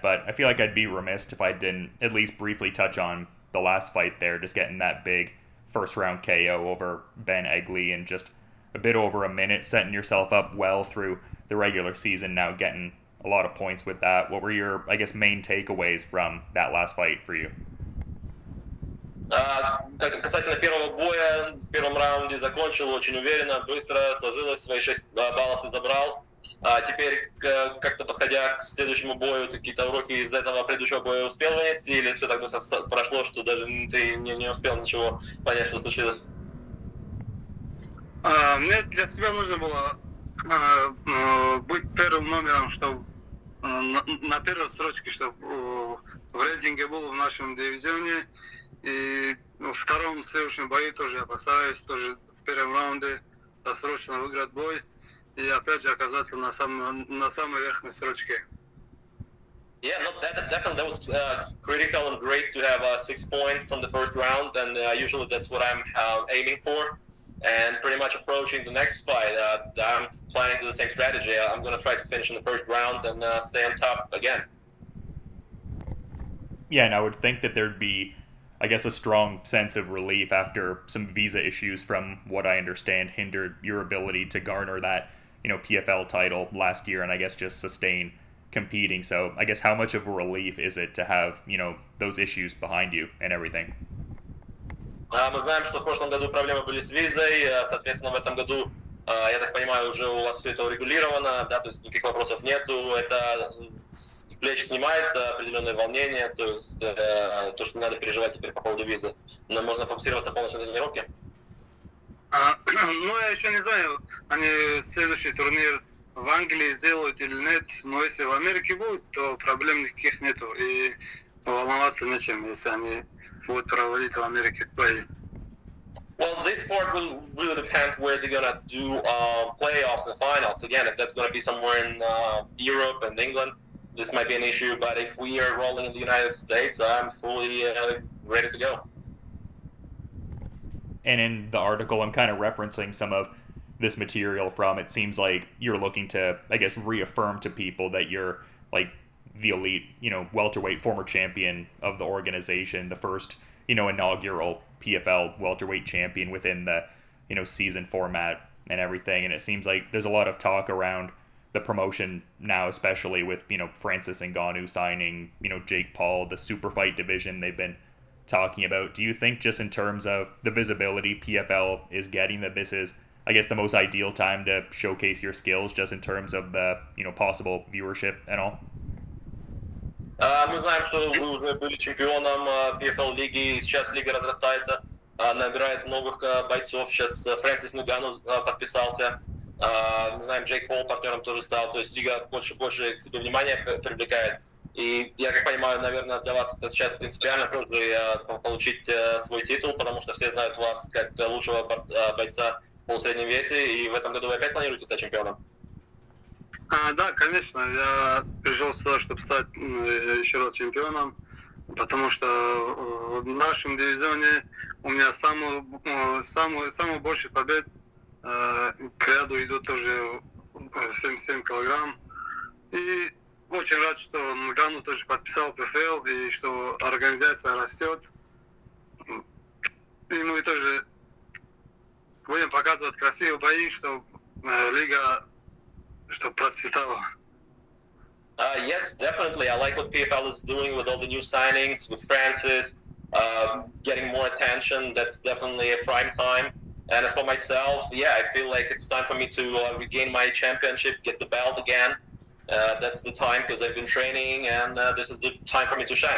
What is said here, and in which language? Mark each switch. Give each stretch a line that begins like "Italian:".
English: But I feel like I'd be remiss if I didn't at least briefly touch on the last fight there, just getting that big first round KO over Ben Eggley in just a bit over a minute, setting yourself up well through the regular season now, getting a lot of points with that. What were your, I guess, main takeaways from that last fight for you?
Russian: Касательно первого боя, в первом раунде закончил очень уверенно, быстро сложилось, свои 6 баллов ты забрал. Теперь, как-то подходя к следующему бою, какие-то уроки из этого предыдущего боя успел вынести, или все так быстро прошло, что даже ты не успел ничего понять, что случилось? Мне для себя нужно было быть первым номером, чтобы на первой строчке, чтобы в рейтинге был в нашем дивизионе. И во втором следующем бою тоже опасаюсь, тоже в первом раунде досрочно выиграть бой и опять же оказаться на самой верхней строчке.
English: Yeah, no, that was critical and great to have 6 points from the first round, and usually that's what I'm aiming for. And pretty much approaching the next fight, I'm planning to do the same strategy. I'm going to try to finish in the first round and stay on top again. Yeah, and I would think that there'd be, I guess, a strong sense of relief after some visa issues, from what I understand, hindered your ability to garner that, you know, PFL title last year, and I guess just sustain competing. So I guess how much of a relief is it to have, you know, those issues behind you and everything?
Russian: Мы знаем, что в прошлом году проблемы были с визой, соответственно, в этом году, я так понимаю, уже у вас все это урегулировано, да, то есть никаких вопросов нету, это плечи снимает определенное волнение, то есть то, что не надо переживать теперь по поводу визы. Но можно фокусироваться полностью на тренировке. Ну, я еще не знаю, они следующий турнир в Англии сделают или нет, но если в Америке будут, то проблем никаких нету. И волноваться нечем, если они будут проводить в Америке бои.
English: Well, this part will really depend where they're going to do playoffs and finals. Again, if that's going to be somewhere in Europe and England, this might be an issue, but if we are rolling in the United States, I'm fully ready to go. And in the article, I'm kind of referencing some of this material from, it seems like you're looking to, I guess, reaffirm to people that you're, like, the elite, you know, welterweight former champion of the organization, the first, you know, inaugural PFL welterweight champion within the, you know, season format and everything. And it seems like there's a lot of talk around the promotion now, especially with, you know, Francis Ngannou signing, you know, Jake Paul, the super fight division they've been talking about. Do you think, just in terms of the visibility PFL is getting, that this is, I guess, the most ideal time to showcase your skills, just in terms of the, you know, possible viewership and all?
Russian: Мы знаем, что вы уже были чемпионом PFL лиги, сейчас лига разрастается, набирает новых бойцов. Сейчас Francis Ngannou подписался. Мы знаем, Джейк Пол партнером тоже стал, то есть лига больше и больше к себе внимания привлекает. И я как понимаю, наверное, для вас это сейчас принципиально тоже получить свой титул, потому что все знают вас как лучшего бойца в полусреднем весе, и в этом году вы опять планируете стать чемпионом? Да, конечно, я пришел сюда, чтобы стать еще раз чемпионом, потому что в нашем дивизионе у меня самый большой побед к ряду идут тоже 77 килограмм. И очень рад, что Ngannou тоже подписал PFL, и что организация растет. И мы тоже будем показывать красивые бои, чтобы лига, чтобы процветала.
English: Yes, definitely. I like what PFL is doing with all the new signings, with Francis, getting more attention. That's definitely a prime time. And as for myself, yeah, I feel like it's time for me to regain my championship, get the belt again. That's the time, because I've been training, and this is the time for me to shine.